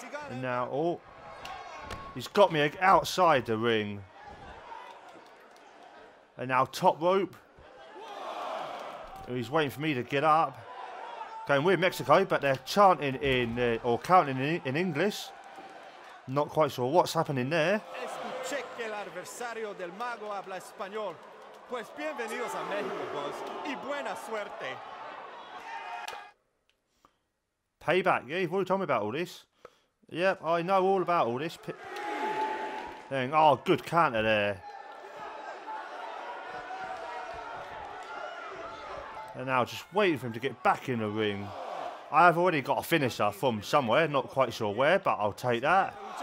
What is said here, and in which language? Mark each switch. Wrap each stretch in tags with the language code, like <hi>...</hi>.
<en>And now, oh, he's got me outside the ring. And now top rope. He's waiting for me to get up. Going, we're Mexico, but they're chanting in, or counting in English. Not quite sure what's happening there.</en> <es>Escuché que el adversario del mago habla español. Pues bienvenidos a México, boys, y buena suerte.</es> <en>Payback, yeah, you've already told me about all this. Yep, I know all about all this. Dang, oh, good counter there. And now just waiting for him to get back in the ring. I have already got a finisher from somewhere, not quite sure where, but I'll take that.</en>